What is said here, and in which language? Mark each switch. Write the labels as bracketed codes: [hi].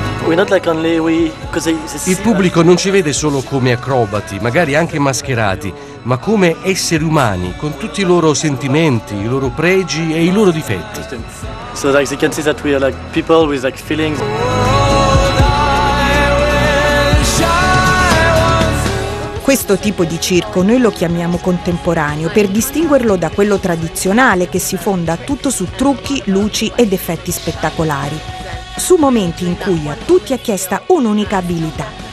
[it] Il pubblico non ci vede solo come acrobati, magari anche mascherati, ma come esseri umani, con tutti i loro sentimenti, i loro pregi e i loro difetti. [en] So like they can see that we are like people with like feelings. [it] Questo tipo di circo noi lo chiamiamo contemporaneo per distinguerlo da quello tradizionale che si fonda tutto su trucchi, luci ed effetti spettacolari. Su momenti in cui a tutti è chiesta un'unica abilità.